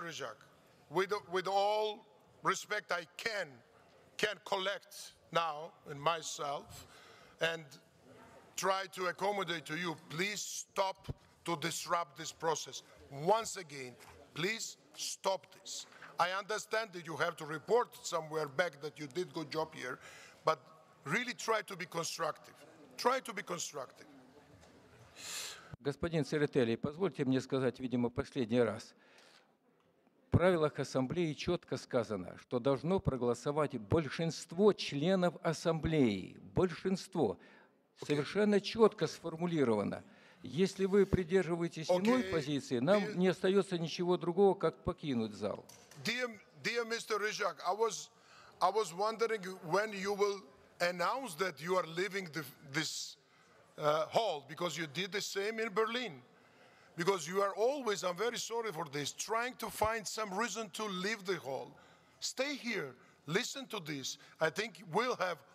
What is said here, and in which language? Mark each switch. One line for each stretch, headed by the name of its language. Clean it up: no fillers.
English: Rizak, with all respect I can collect now in myself and try to accommodate to you, please stop to disrupt this process. Once again, please stop this. I understand that you have to report somewhere back that you did good job here, but really try to be constructive. Try to be constructive.
Russian: Господин Церетели, позвольте мне сказать, видимо, последний раз. В правилах ассамблеи четко сказано, что должно проголосовать большинство членов ассамблеи. Большинство. Okay. Совершенно четко сформулировано. Если вы придерживаетесь иной позиции, нам не остается ничего другого, как покинуть зал.
English: Dear Mr. Rizak, I was wondering when you will announce that you are leaving this hall, because you did the same in Berlin. Because you are always, I'm very sorry for this, trying to find some reason to leave the hall. Stay here, listen to this. I think we'll have